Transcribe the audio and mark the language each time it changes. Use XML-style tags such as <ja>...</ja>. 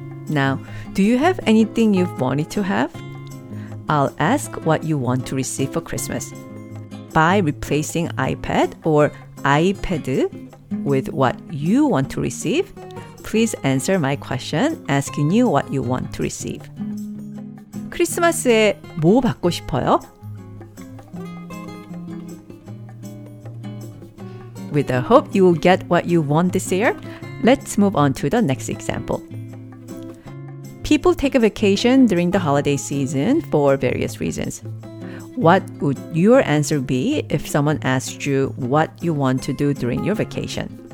<en>Now, do you have anything you've wanted to have? I'll ask what you want to receive for Christmas. By replacing iPad or 아이패드 with what you want to receive, please answer my question asking you what you want to receive.</en> <ko>크리스마스에 뭐 받고 싶어요?</ko> <en>With the hope you will get what you want this year, let's move on to the next example. People take a vacation during the holiday season for various reasons. What would your answer be if someone asked you what you want to do during your vacation?</en>